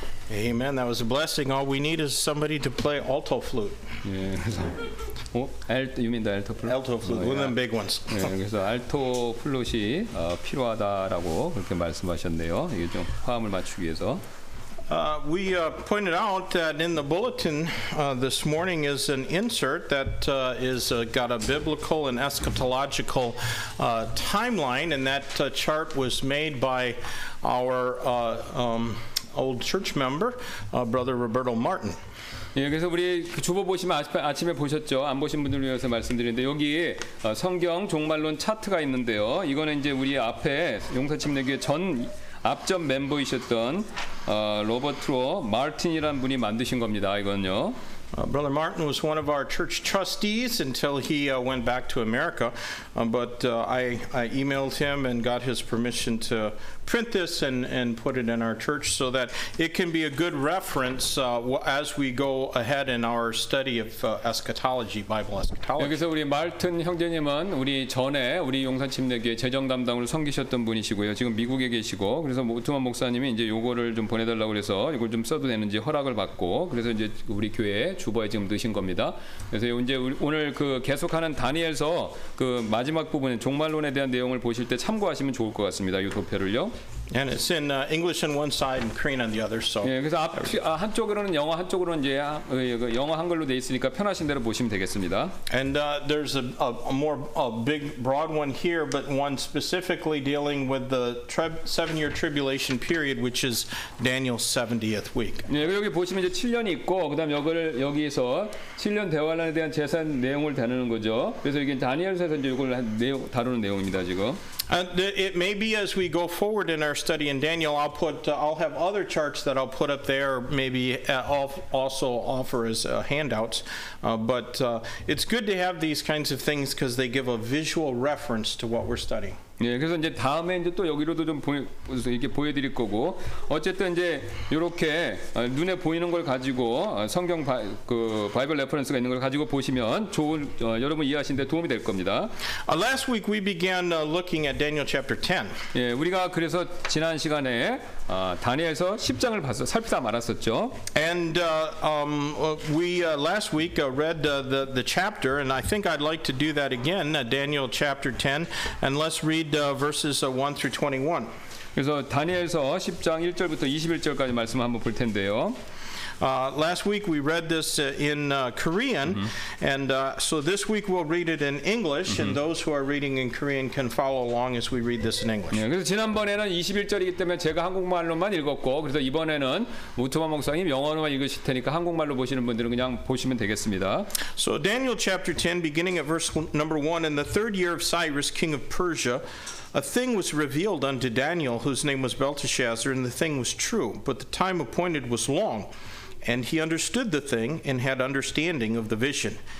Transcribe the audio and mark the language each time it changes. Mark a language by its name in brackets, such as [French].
[English] 아멘. That was a blessing. All we need is somebody to play alto flute. [Korean] 예. 오, 알토 유민다 알토 플루트. [English] Alto flute, one of the big ones. [Korean] 예, 그래서 알토 플루트이 필요하다라고 그렇게 말씀하셨네요. 이게 좀 화음을 맞추기 위해서. [English] We pointed out that in the bulletin this morning is an insert that is got a biblical and eschatological timeline, and that chart was made by our old church member, Brother Roberto Martin. [Korean] 예, 그래서 우리 주보 보시면 아침에 보셨죠? 안 보신 분들을 위해서 말씀드리는데 여기 성경 종말론 차트가 있는데요. 이거는 이제 우리 앞에 용서침례교회 전 앞전 멤버이셨던 로버트로 마틴이라는 분이 만드신 겁니다. 이건요. [English] Brother Martin was one of our church trustees until he went back to America, but I emailed him and got his permission to print this and put it in our church so that it can be a good reference as we go ahead in our study of eschatology, Bible eschatology. [Korean] 여기서 우리 마틴 형제님은 우리 전에 우리 용산침례교회 재정 담당을 섬기셨던 분이시고요. 지금 미국에 계시고 그래서 오트만 목사님이 이제 요거를 좀 보내달라고 그래서 이걸 좀 써도 되는지 허락을 받고 그래서 이제 우리 교회에 주보에 지금 넣으신 겁니다. 그래서 이제 오늘 그 계속하는 다니엘서 그 마지막 부분에 종말론에 대한 내용을 보실 때 참고하시면 좋을 것 같습니다. 이 도표를요. [English] And it's in English on one side and Korean on the other. So. [Korean] 예, 그래서 앞 한쪽으로는 영어 한쪽으로는 이제 영어 한글로 돼 있으니까 편하신 대로 보시면 되겠습니다. [English] And there's a big broad one here, but one specifically dealing with the seven-year tribulation period, which is Daniel's 70th week. [Korean] 예, 여기 보시면 이제 7년이 있고 그다음 여기를 여기에서 7년 대환란에 대한 재산 내용을 다루는 거죠. 그래서 이게 다니엘서에서 이제 이걸 내용 다루는 내용입니다, 지금. [English] And it may be as we go forward in our study in Daniel, I'll have other charts that I'll put up there, maybe also offer as handouts. But it's good to have these kinds of things because they give a visual reference to what we're studying. [Korean] 예, 그래서 이제 다음에 이제 또 여기로도 좀 이렇게 보여드릴 거고, 어쨌든 이제 이렇게 눈에 보이는 걸 가지고 성경 그 바이블 레퍼런스가 있는 걸 가지고 보시면 좋은 여러분 이해하시는데 도움이 될 겁니다. [English] Last week we began looking at Daniel chapter 10. [Korean] 예, 우리가 그래서 지난 시간에 다니엘서 10장을 봤어, 살피다 말았었죠. [English] And last week read the chapter, and I think I'd like to do that again, Daniel chapter 10, and let's read verses 1 through 21. [Korean] 그래서 다니엘서 10장 1절부터 21절까지 말씀을 한번 볼 텐데요. [English] Last week we read this in Korean, mm-hmm. and so this week we'll read it in English, mm-hmm. and those who are reading in Korean can follow along as we read this in English. [Korean] 네, 그래서 지난번에는 21절이기 때문에 제가 한국말로만 읽었고, 그래서 이번에는 우트만 목사님 영어로만 읽으실 테니까 한국말로 보시는 분들은 그냥 보시면 되겠습니다. [English] So Daniel chapter 10, beginning at verse number 1, in the third year of Cyrus, king of Persia, a thing was revealed unto Daniel, whose name was Belteshazzar, and the thing was true, but the time appointed was long. And he understood the thing and had understanding of the vision.